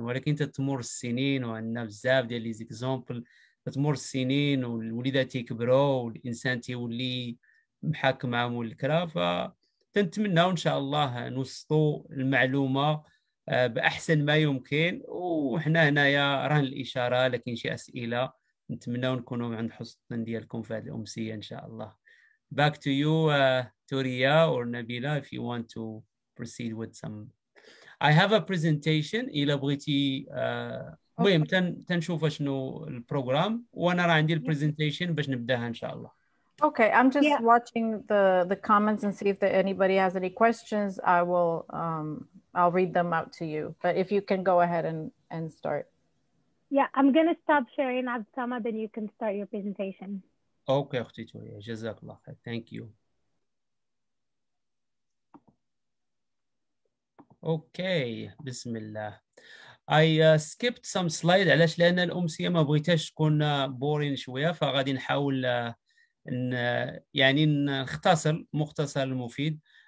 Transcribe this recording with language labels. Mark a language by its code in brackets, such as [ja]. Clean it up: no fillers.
[ar] ولكن تتمر السنين وعندنا بزاف ديال لي زيكزومبل، تتمر السنين والوليدات يكبروا والانسان تيولي محاكم مع الكرا، ف تنتمناو ان شاء الله نوصلوا المعلومه باحسن ما يمكن. وحنا هنايا راهن الاشاره، لكن شي اسئله نتمنى نكونوا عند حسن ديالكم في هذه الأمسية إن شاء الله. [en] Back to you, Turiya or Nabila, if you want to proceed with some. I have a presentation. [ar] إلا بغيتي مهم تنشوف شنو البروغرام، وأنا راه عندي البرزنتيشن باش نبداها إن شاء الله. [en] Okay, I'm just watching the comments and see if there, anybody has any questions. I will I'll read them out to you. But if you can go ahead and start. Yeah, I'm going to stop sharing, Abd Samad, then you can start your presentation. [ar] Okay, اختي توريا، جزاك الله خير. [en] Thank you. Okay, [ar] بسم الله. [en] I skipped some slides. [ar] علاش؟ لأن الأمسية ما بغيتهاش تكون بورين شوية، فغادي نحاول يعني نختصر مختصر المفيد.